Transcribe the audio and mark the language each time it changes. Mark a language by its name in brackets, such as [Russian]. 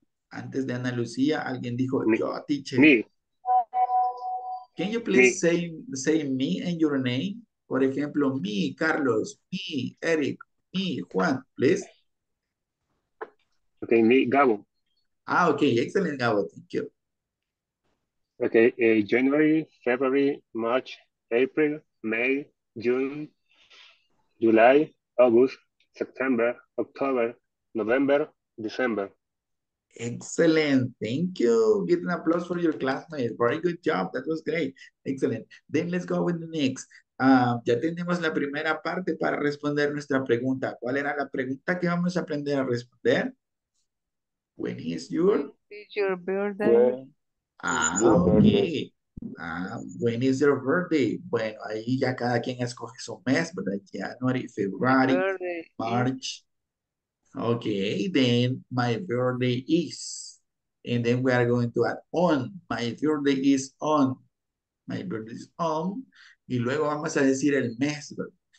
[Spanish] Antes de Ana Lucía, alguien dijo, yo, teacher. [English] Me. Can you please say me and your name? [Spanish] Por ejemplo, [English] me, Carlos, me, Eric, me, Juan, please. Okay, me, Gabo. Ah, okay, excellent, Gabo, thank you. Okay, January, February, March, April, May, June, July, August, September, October, November, December. Excellent. Thank you. Get an applause for your classmates. Very good job. That was great. Excellent. Then let's go with the next. [Spanish] Ya tenemos la primera parte para responder nuestra pregunta. ¿Cuál era la pregunta que vamos a aprender a responder? [English] When is your birthday? Ah, okay. When is your birthday? [Spanish] Bueno, ahí ya cada quien escoge su mes, ¿verdad? [English] January, February, March. Okay, then my birthday is. And then we are going to add on. My birthday is on. My birthday is on. [Spanish] Y luego vamos a decir el mes, ¿verdad?